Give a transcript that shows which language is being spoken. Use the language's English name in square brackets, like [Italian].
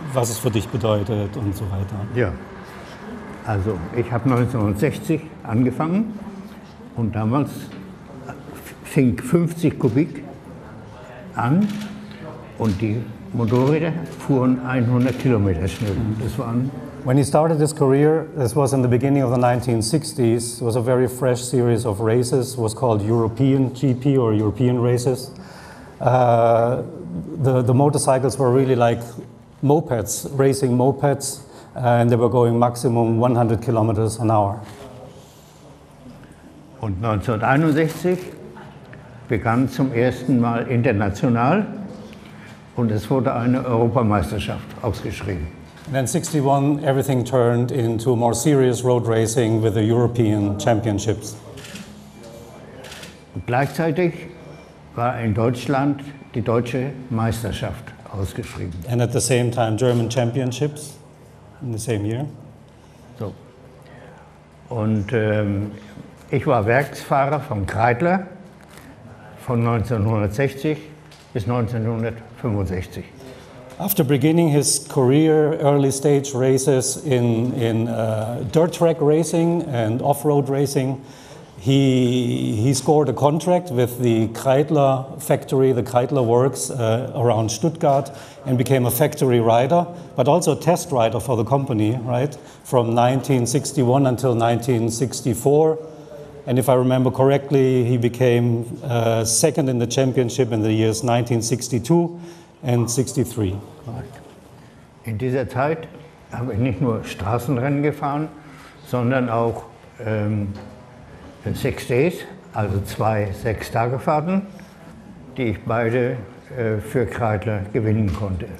[German] Was es für dich bedeutet und so weiter. Ja. Also, ich habe 1960 angefangen und damals fing 50 Kubik an und die Motorräder fuhren 100 Kilometer schnell. Das waren. [English] When he started his career, this was in the beginning of the 1960s, it was a very fresh series of races, it was called European GP or European races. The motorcycles were really like mopeds, racing mopeds, and they were going maximum 100 kilometers an hour. [German] Und 1961 begann zum ersten Mal international und es wurde eine Europameisterschaft ausgeschrieben. [English] And then 61, everything turned into more serious road racing with the European Championships. [German] Gleichzeitig war in Deutschland die deutsche Meisterschaft ausgeschrieben. [English] And at the same time, German Championships in the same year. [German] So. Und ich war Werksfahrer von Kreidler von 1960 bis 1965. [English] After beginning his career, early stage races in dirt track racing and off-road racing, he scored a contract with the Kreidler factory, the Kreidler works around Stuttgart, and became a factory rider, but also a test rider for the company, right? From 1961 until 1964. And if I remember correctly, he became second in the championship in the years 1962 and 63. [German] In dieser Zeit habe ich nicht nur Straßenrennen gefahren, sondern auch Six Days, also zwei Sechstagefahrten, die ich beide für Kreidler gewinnen konnte.